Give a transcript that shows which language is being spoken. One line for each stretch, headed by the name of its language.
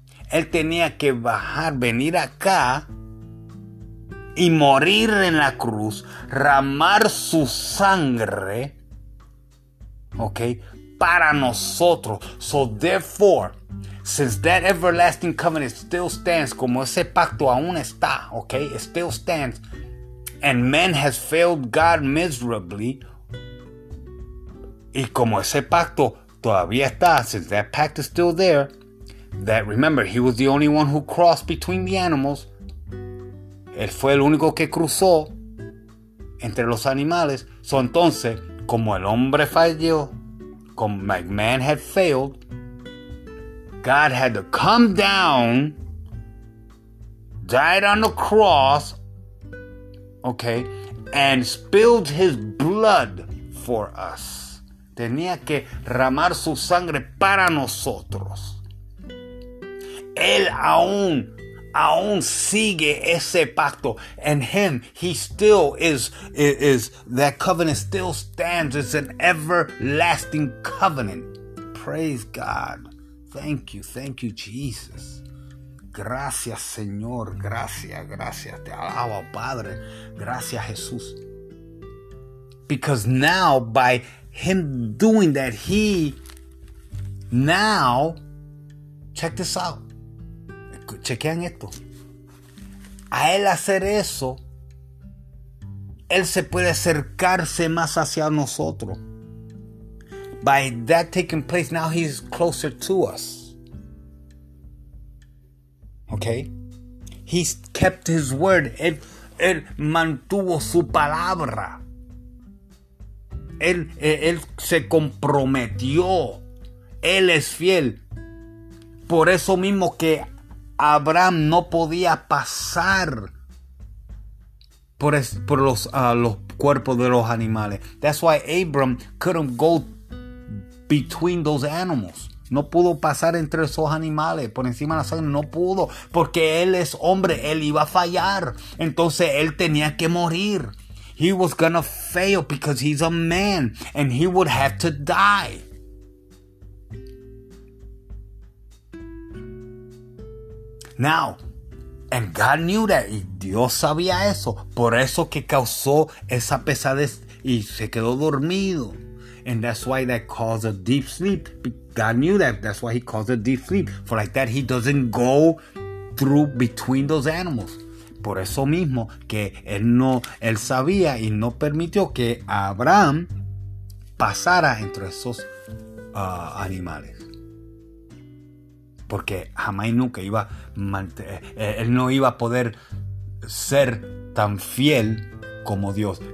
Spanish: Él tenía que bajar, venir acá y morir en la cruz, derramar su sangre, okay, para nosotros.
English: So therefore, since that everlasting covenant still stands,
Spanish: como ese pacto aún está,
English: okay, it still stands, and man has failed God miserably,
Spanish: y como ese pacto todavía está,
English: since that pact is still there, that remember, he was the only one who crossed between the animals.
Spanish: Él fue el único que cruzó entre los animales.
English: So,
Spanish: entonces, como el hombre falló, como
English: man had failed, God had to come down, died on the cross, okay, and spilled his blood for us.
Spanish: Tenía que derramar su sangre para nosotros. Él aún sigue ese pacto.
English: And him, he still is that covenant still stands. It's an everlasting covenant. Praise God. Thank you, Jesus.
Spanish: Gracias, Señor. Gracias, gracias. Te alabo, Padre. Gracias, Jesús.
English: Because now, by him doing that, he now, check this out.
Spanish: Chequean esto. A él hacer eso, él se puede acercarse más hacia nosotros.
English: By that taking place, now he's closer to us. Okay? He's kept his word.
Spanish: Él mantuvo su palabra. Él se comprometió. Él es fiel. Por eso mismo que Abraham no podía pasar por los cuerpos de los animales. That's why Abram couldn't go between those animals. No pudo pasar entre esos animales. Por encima de la sangre no pudo. Porque él es hombre. Él iba a fallar. Entonces él tenía que morir.
English: He was gonna fail because he's a man. And he would have to die. Now, and God knew that.
Spanish: Y Dios sabía eso. Por eso que causó esa pesadez. Y se quedó dormido.
English: And that's why that caused a deep sleep. God knew that. That's why he caused a deep sleep. For like that, he doesn't go through between those animals.
Spanish: Por eso mismo que él sabía y no permitió que Abraham pasara entre esos animales. Porque jamás y nunca iba a él no iba a poder ser tan fiel como Dios.